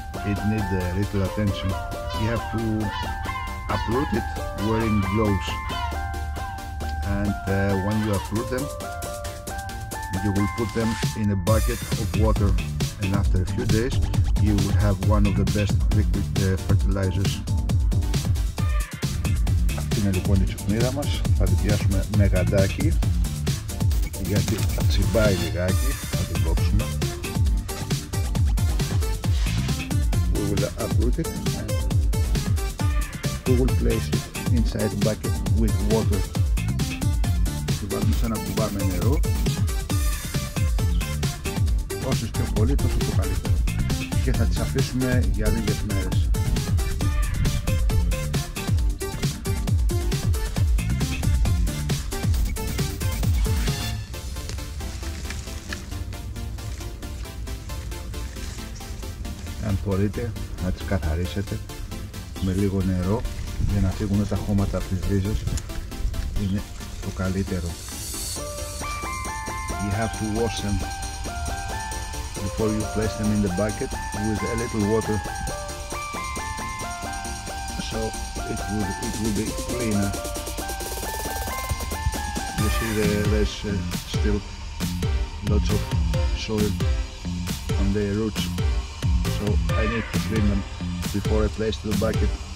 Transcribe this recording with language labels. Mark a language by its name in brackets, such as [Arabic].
[English] It needs a little attention. You have to uproot it wearing gloves. And when you uproot them, you will put them in a bucket of water, and after a few days you will have one of the best liquid fertilizers. [Greek] Αυτή είναι λοιπόν η τσουκνίδα μας. Θα την πιάσουμε με γαντάκι, γιατί θα τσιμπάει λιγάκι. Θα την κόψουμε. [English] We will uproot it. We will place it inside the bucket with water. [Greek] Βάζουμε σε ένα κουμπά με νερό. Όσο πιο πολύ, τόσο το καλύτερο. Και θα τις αφήσουμε για λίγες μέρες. Αν μπορείτε να τις καθαρίσετε με λίγο νερό για να φύγουν τα χώματα από τις ρίζες, είναι το καλύτερο. [English] You have to wash them before you place them in the bucket with a little water, so it would be cleaner. You see there's still lots of soil on the roots, so I need to clean them before I place the bucket.